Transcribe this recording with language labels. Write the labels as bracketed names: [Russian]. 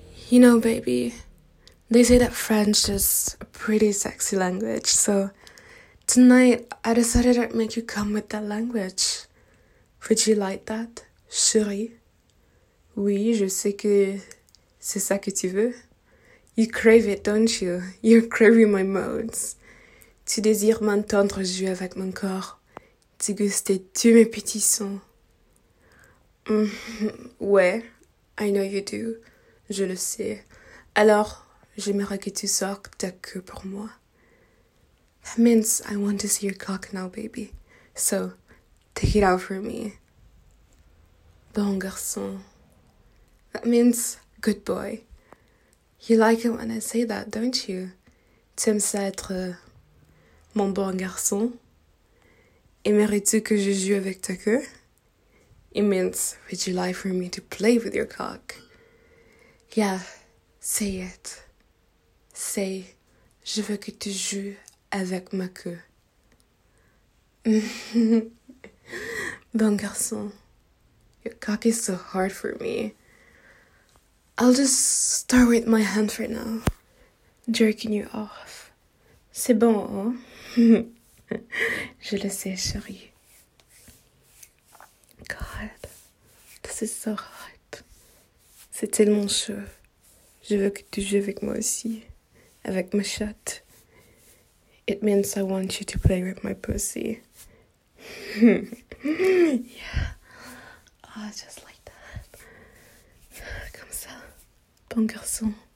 [English] You know, baby, they say that French is a pretty sexy language, so tonight I decided I'd make you come with that language. Would you like that, chérie? [French] Oui, je sais que c'est ça que tu veux. [English] You crave it, don't you? You're craving my moans. [French] Tu désires m'entendre jouer avec mon corps, déguster tous mes petits sons. [English] Ouais, I know you do. [French] Je le sais. Alors, j'aimerais que tu sortes ta queue pour moi. [English] That means I want to see your cock now, baby. So, take it out for me. [French] Bon garçon. [English] That means good boy. You like it when I say that, don't you? [French] Tu aimes ça être mon bon garçon? Aimerais-tu que je joue avec ta queue? [English] It means would you like for me to play with your cock? Yeah, say it. [French] Say, je veux que tu joues avec ma queue. Bon garçon, [English] your cock is so hard for me. I'll just start with my hand for now, jerking you off. [French] C'est bon, hein? Je le sais, chérie. [English] God, this is so hot. [French] C'est tellement chaud. Je veux que tu joues avec moi aussi, avec ma chatte. [English] It means I want you to play with my pussy. Yeah, ah, just like that. [French] Comme ça, bon garçon.